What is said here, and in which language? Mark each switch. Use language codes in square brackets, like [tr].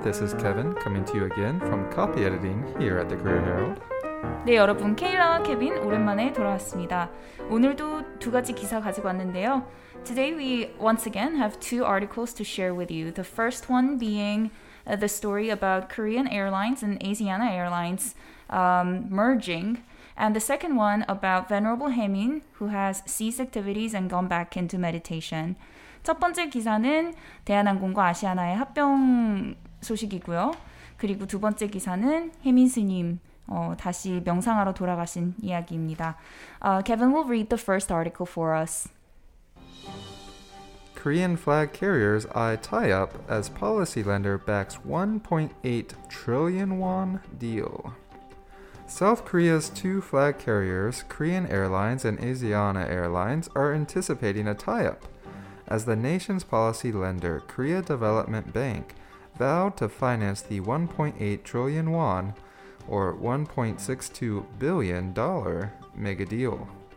[en] This is Kevin coming to you again from copy editing here at the Korea Herald. [ko] 네, 여러분. 케일라와 케빈 오랜만에 돌아왔습니다. 오늘도 두 가지 기사 가지고 왔는데요. [en] Today we once again have two articles to share with you. The first one being the story about Korean Airlines and Asiana Airlines merging. And the second one about Venerable Haemin, who has ceased activities and gone back into meditation. [ko] 첫 번째 기사는 대한항공과 아시아나의 합병 소식이고요. 그리고 두 번째 기사는 혜민 스님, 다시 명상하러 돌아가신 이야기입니다. [en] Kevin will read the first article for us. Korean flag carriers eye tie-up as policy lender backs 1.8 trillion won deal. South Korea's two flag carriers, Korean Airlines and Asiana Airlines, are anticipating a tie-up as the nation's policy lender, Korea Development Bank, vowed to finance the 1.8 trillion won, or $1.62 billion, mega deal.